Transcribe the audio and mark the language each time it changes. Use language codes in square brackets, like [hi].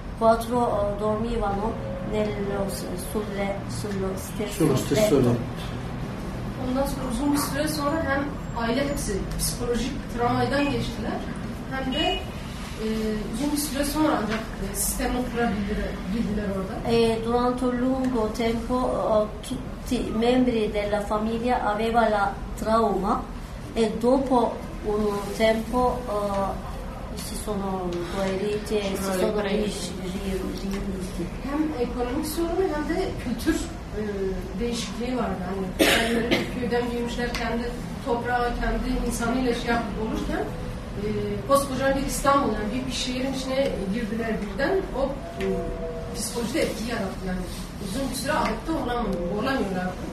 [it] quattro dormivano nello sulle sullo stesso letto. [tr] Ondan sonra uzun bir süre sonra hem aile hepsi psikolojik travmadan geçtiler hem de uzun bir süre sonra ancak sistem oturabildiler orada. [it] Durante lungo tempo tutti i membri della famiglia aveva la trauma e dopo un tempo si sono guariti e si sono riuniti. [tr] Hem ekonomik sorunu hem de kültür değişikliği vardı. Yani kendileri köyden büyümüşler, kendi toprağı, kendi insanıyla şey yapıp olurken koskoca bir İstanbul, yani büyük bir şehrin içine girdiler birden. O psikolojide etki yarattı. Yani uzun bir süre adapte olamıyorlar.